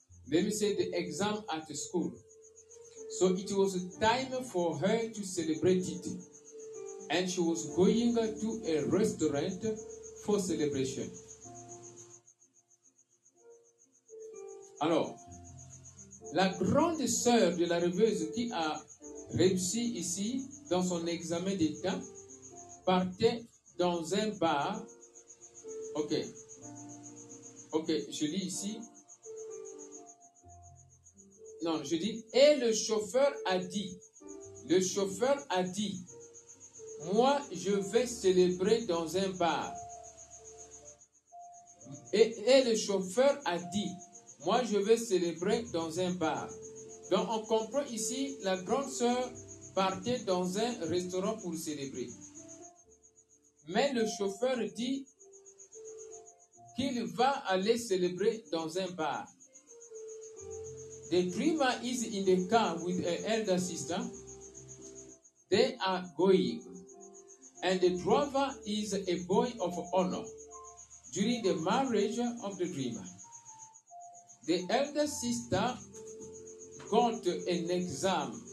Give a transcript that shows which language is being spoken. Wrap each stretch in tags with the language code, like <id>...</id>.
<en>Let me say the exam at the school. So it was time for her to celebrate it. And she was going to a restaurant for celebration.</en> <fr>Alors, la grande sœur de la rêveuse qui a réussi ici dans son examen d'état partait dans un bar. Ok, je lis ici. Non, je dis, et le chauffeur a dit, moi, je vais célébrer dans un bar. Et le chauffeur a dit, moi, je vais célébrer dans un bar. Donc, on comprend ici, la grande sœur partait dans un restaurant pour célébrer. Mais le chauffeur dit qu'il va aller célébrer dans un bar.</fr> <en>The dreamer is in the car with her elder sister. They are going. And the driver is a boy of honor during the marriage of the dreamer. The elder sister got an exam.</en>